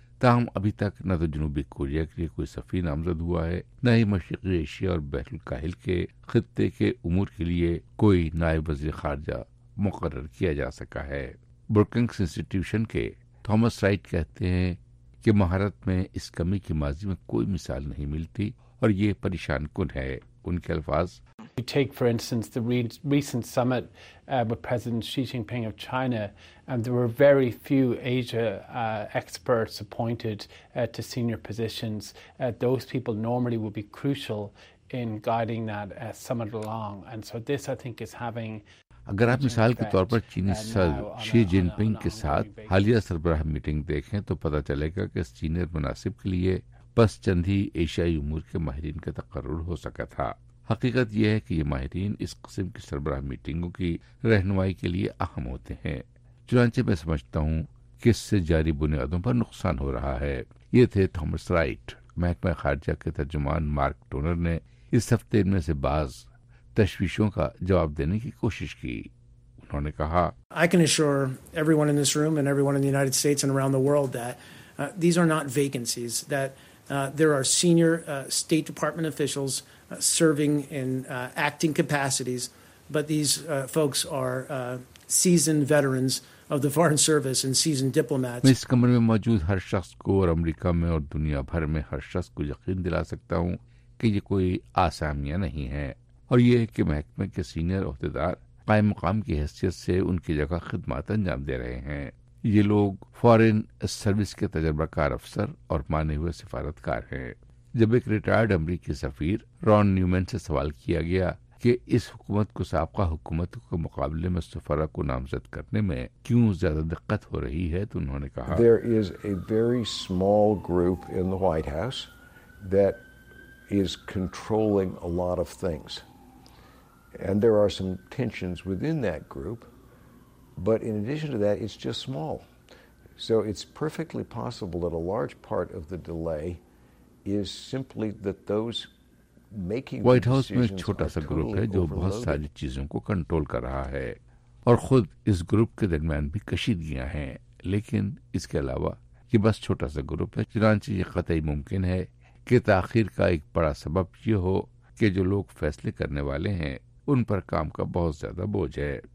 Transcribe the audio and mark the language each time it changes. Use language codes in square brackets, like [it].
[ur] تاہم ابھی تک نہ تو جنوبی کوریا کے لیے کوئی سفیر نامزد ہوا ہے, نہ ہی مشرقی ایشیا اور بحر الکاہل کے خطے کے امور کے لیے کوئی نائب وزیر خارجہ مقرر کیا جا سکا ہے. برکنگز انسٹیٹیوشن کے تھامس رائٹ کہتے ہیں کہ مہارت میں اس کمی کی ماضی میں کوئی مثال نہیں ملتی اور یہ پریشان کن ہے. ان کے الفاظ, [en] You take for instance the recent summit with President Xi Jinping of China, and there were very few Asia experts appointed to senior positions. Those people normally would be crucial in guiding that summit along, and so this I think is having. [ur] اگر آپ مثال کے طور پر چینی صدر شی جن پنگ کے ساتھ حالیہ سربراہ میٹنگ دیکھیں تو پتہ چلے گا کہ سینئر مناسب کے لیے بس چند ہی ایشیائی امور کے ماہرین کا تقرر ہو سکا تھا. حقیقت یہ ہے کہ یہ ماہرین اس قسم کی سربراہ میٹنگوں کی رہنمائی کے لیے اہم ہوتے ہیں. چنانچہ میں سمجھتا ہوں کہ اس سے جاری بنیادوں پر نقصان ہو رہا ہے. یہ تھے تھامس رائٹ. محکمہ خارجہ کے ترجمان مارک ٹونر نے اس ہفتے میں سے بعض تشویشوں کا جواب دینے کی کوشش کی. انہوں نے کہا, [en] I can assure everyone in this room and everyone in the United States and around the world that these are not vacancies, that there are senior State Department officials serving in acting capacities, but these folks are seasoned veterans of the Foreign Service and seasoned diplomats. [ur] میں اس کمرے میں موجود ہر شخص کو اور امریکہ میں اور دنیا بھر میں ہر شخص کو یقین دلا سکتا ہوں کہ یہ کوئی آسامیاں نہیں ہیں, اور یہ ہے کہ محکمے کے سینئر عہدیدار قائم مقام کی حیثیت سے ان کی جگہ خدمات انجام دے رہے ہیں. یہ لوگ فارن سروس کے تجربہ کار افسر اور مانے ہوئے سفارتکار ہیں. جب ایک ریٹائرڈ امریکی سفیر رون نیومین سے سوال کیا گیا کہ اس حکومت کو سابقہ حکومت کے مقابلے میں سفرا کو نامزد کرنے میں کیوں زیادہ دقت ہو رہی ہے تو انہوں نے کہا [en] There is a very small group in the White House that is controlling a lot of things. And there are some tensions within that group. But in addition to that, it's just small. So it's perfectly possible that a large part of the delay is simply that those [ur] white house میں ایک چھوٹا سا group ہے جو بہت ساری چیزوں کو کنٹرول کر رہا ہے اور خود اس گروپ کے درمیان بھی کشیدگیاں ہیں, لیکن اس کے علاوہ یہ بس چھوٹا سا گروپ ہے. چنانچہ یہ قطعی ممکن ہے کہ تاخیر کا ایک بڑا سبب یہ ہو کہ جو لوگ فیصلے کرنے والے ہیں ان پر کام کا بہت زیادہ بوجھ ہے.